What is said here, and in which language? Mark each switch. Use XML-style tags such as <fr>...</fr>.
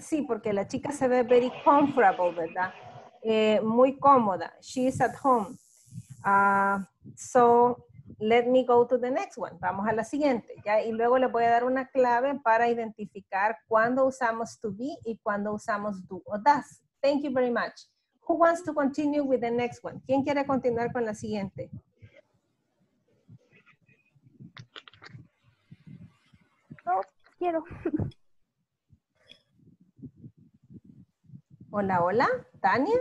<es>Sí, porque la chica se ve</es> <en>very comfortable,</en> <es>¿verdad? Muy cómoda.</es> <en>She is at home. So, let me go to the next one.</en> <es>Vamos a la siguiente. ¿Ya? Y luego les voy a dar una clave para identificar cuándo usamos to be y cuándo usamos do or does.</es> <en>Thank you very much. Who wants to continue with the next one?</en> <es>¿Quién quiere continuar con la siguiente? No, quiero. Hola, hola. ¿Tania?</es>